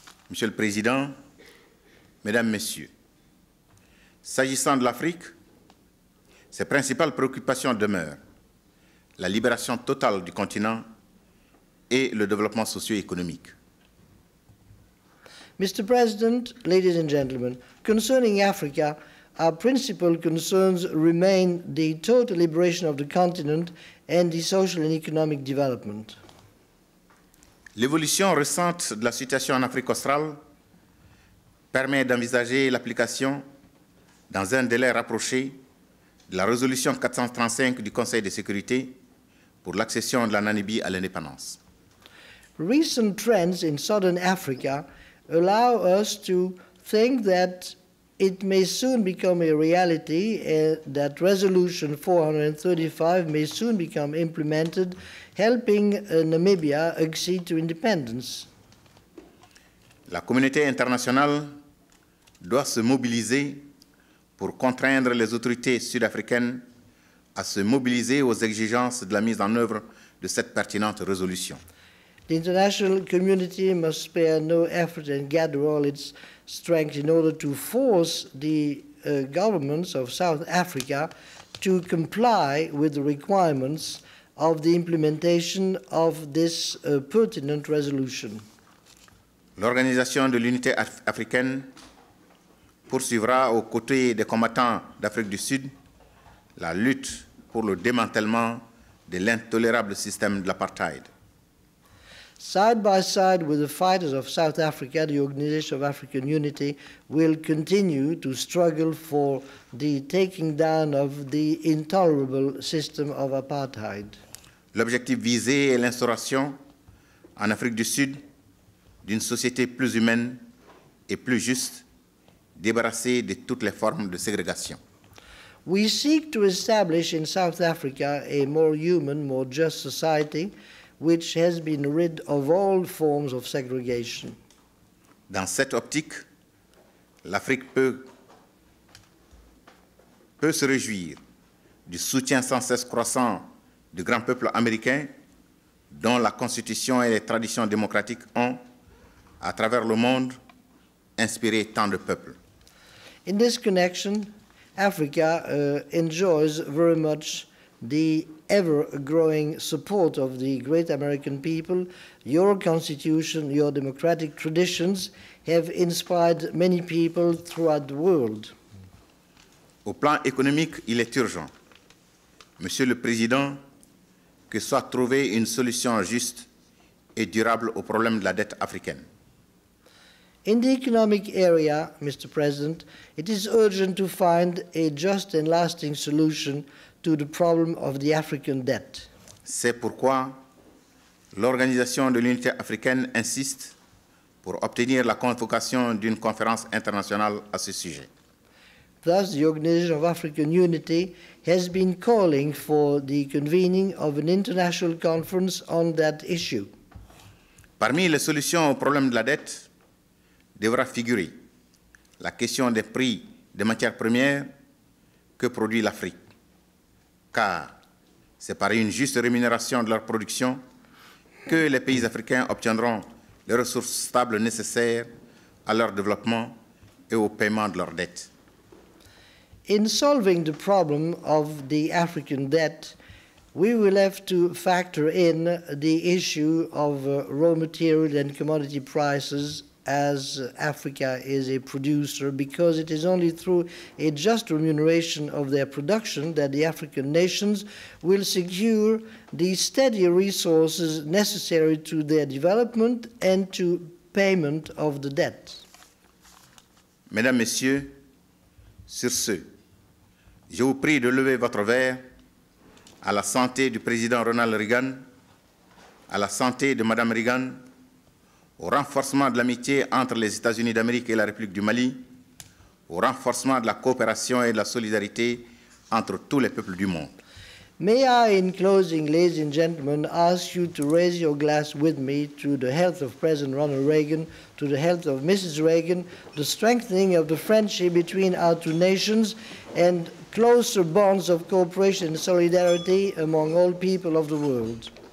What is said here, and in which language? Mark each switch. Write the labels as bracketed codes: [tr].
[fr] Monsieur le Président, Mesdames, Messieurs, s'agissant de l'Afrique, ses principales préoccupations demeurent la libération totale du continent et le développement socio-économique. [en] Mr. President, ladies and gentlemen, concerning Africa, our principal concerns remain the total liberation of the continent and the social and economic development. [fr] L'évolution récente de la situation en Afrique australe permet d'envisager l'application, dans un délai rapproché, de la résolution 435 du Conseil de sécurité pour l'accession de la Namibie à l'indépendance. [en] Recent trends in southern Africa allow us to think that it may soon become a reality, that Resolution 435 may soon become implemented, helping Namibia accede to independence. [fr] La communauté internationale doit se mobiliser pour contraindre les autorités sud-africaines à se mobiliser aux exigences de la mise en œuvre de cette pertinente résolution. [en] The international community must spare no effort and gather all its strength in order to force the governments of South Africa to comply with the requirements of the implementation of this pertinent resolution. [fr] L'organisation de l'unité africaine poursuivra aux côtés des combattants d'Afrique du Sud la lutte pour le démantèlement de l'intolérable système de l'apartheid. [en] Side by side with the fighters of South Africa, the Organization of African Unity will continue to struggle for the taking down of the intolerable system of apartheid. [fr] L'objectif visé est l'instauration en Afrique du Sud d'une société plus humaine et plus juste, débarrassée de toutes les formes de ségrégation. [en] We seek to establish in South Africa a more human, more just society, which has been rid of all forms of segregation. [fr] Dans cette optique, l'Afrique peut se réjouir du soutien sans cesse croissant du grand peuple américain, dont la constitution et les traditions démocratiques ont, à travers le monde, inspiré tant de peuples. [en] In this connection, Africa enjoys very much the ever-growing support of the great American people. Your constitution, your democratic traditions have inspired many people throughout the world. [fr] Au plan économique, il est urgent, Monsieur le Président, que soit trouvée une solution juste et durable au problème de la dette africaine. [en] In the economic area, Mr. President, it is urgent to find a just and lasting solution to the problem of the African debt. [fr] C'est pourquoi l'Organisation de l'Unité africaine insiste pour obtenir la convocation d'une conférence internationale à ce sujet. [en] Thus, the Organization of African Unity has been calling for the convening of an international conference on that issue. [fr] Parmi les solutions au problème de la dette, devra figurer la question des prix des matières premières que produit l'Afrique, car c'est par une juste rémunération de leur production que les pays africains obtiendront les ressources stables nécessaires à leur développement et au paiement de leurs dettes. [en] In solving the problem of the African debt, we will have to factor in the issue of raw material and commodity prices as Africa is a producer, because it is only through a just remuneration of their production that the African nations will secure the steady resources necessary to their development and to payment of the debt. [fr] Mesdames, Messieurs, sur ce, je vous prie de lever votre verre à la santé du président Ronald Reagan, à la santé de Madame Reagan, au renforcement de l'amitié entre les États-Unis d'Amérique et la République du Mali, au renforcement de la coopération et de la solidarité entre tous les peuples du monde. [en] May I, in closing, ladies and gentlemen, ask you to raise your glass with me to the health of President Ronald Reagan, to the health of Mrs. Reagan, the strengthening of the friendship between our two nations, and closer bonds of cooperation and solidarity among all people of the world.